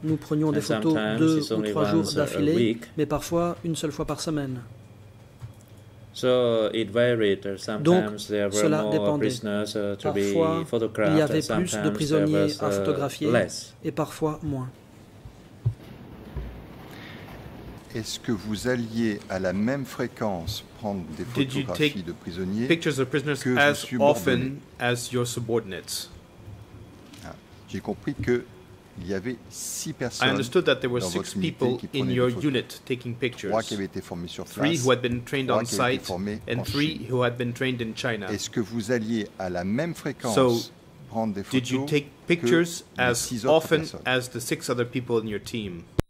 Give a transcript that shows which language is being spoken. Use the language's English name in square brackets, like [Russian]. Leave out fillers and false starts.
[French] Nous prenions des photos deux ou trois jours d'affilée, mais parfois une seule fois par semaine. [English] So it varied. Sometimes there were more prisoners to be photographed, and sometimes there was less. Et parfois moins. [French] Est-ce que vous alliez à la même fréquence prendre des photographies de prisonniers [English] pictures of prisoners [French] que [English] as often as your subordinates? [French] Ah, j'ai compris que il y avait 6 personnes. [English] I understood that there were 6 people in your unit taking pictures. [French] 3 qui avaient été formés sur place. [English] 3 who had been trained on site and 3 who had been trained in China. [French] Est-ce que vous alliez à la même fréquence prendre des photos? [English] Did you take pictures as often as the 6 other people in your team?